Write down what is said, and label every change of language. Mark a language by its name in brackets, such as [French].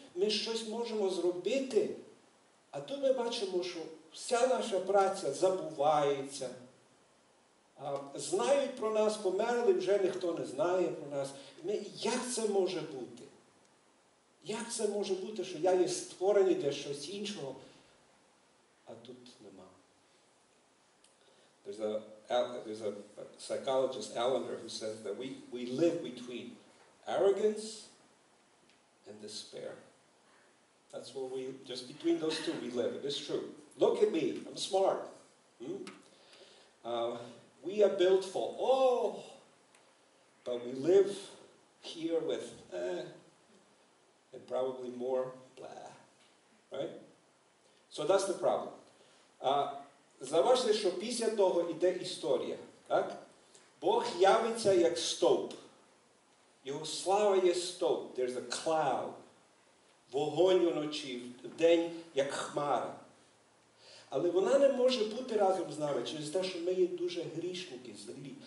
[Ukrainian] Ми щось можемо зробити. А тут ми бачимо, що вся наша праця забувається. Знають про нас, померли, вже ніхто не знає про нас. Як це може бути? Як це може бути, що я є створений для щось іншого, а тут нема? [English] There's a psychologist, Allender, who says that we live between arrogance and despair. That's what we, just between those two we live. It's true. Look at me, I'm smart. We are built for all, but we live here with and probably more blah, right? So that's the problem. [Ukrainian] Заважте, що після того йде історія, так? Бог явиться як стовп. Його слава є стовп. [English] There's a cloud. [Ukrainian] Вогонь уночі, вдень як хмара. Але вона не може бути разом з нами через те, що ми є дуже грішники злі.